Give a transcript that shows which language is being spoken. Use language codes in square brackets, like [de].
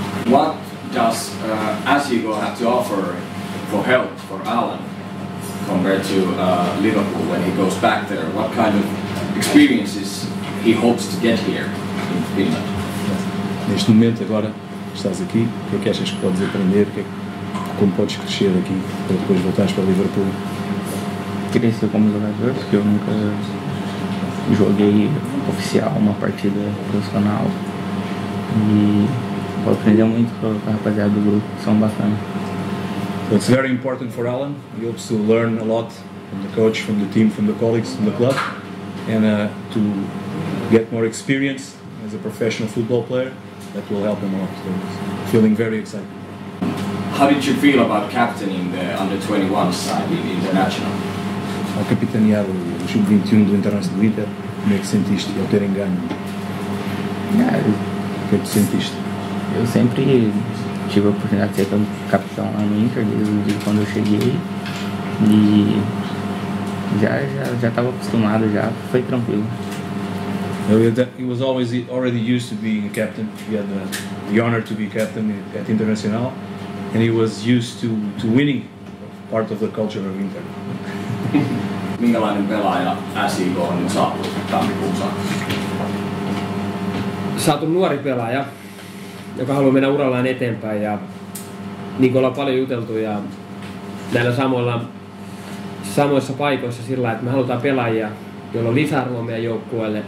[en] What does Asiko have to offer for help for Alan compared to Liverpool when he goes back there? What kind of experiences he hopes to get here in Finland? [pt] Neste momento agora estás aqui, o que é que achas que podes aprender? Como podes crescer aqui para depois voltares para Liverpool? Crescer como jogador, porque eu nunca joguei oficial uma partida profissional. E vou aprender muito com a rapaziada do grupo, que são bacana. [en] It's very important for Alan. He hopes to learn a lot from the coach, from the team, from the colleagues, from the club. And to get more experience as a professional football player, that will help him a lot. So he's feeling very excited. How did you feel about captaining the under-21 side in Internacional? [pt] Ao capitanear o sub-21 do Internacional do Inter, como é que sentiste ao terem ganho? O que é que sentiste? Eu sempre tive a oportunidade de ser capitão lá no Inter desde quando eu cheguei. E já estava acostumado, já foi tranquilo. [en] He was always already used to being a captain. He had the honor to be captain at Internacional. And he was used to winning, part of the culture of Inter. [fi] Minkälainen pelaaja Asiko on nyt saapunut tammikuussa? Saatu nuori pelaaja, joka haluaa mennä urallaan eteenpäin. Ja niin kuin ollaan paljon juteltu ja näillä samoissa paikoissa sillä, että me halutaan pelaajia, joilla on lisäarvoa meidän joukkueelle.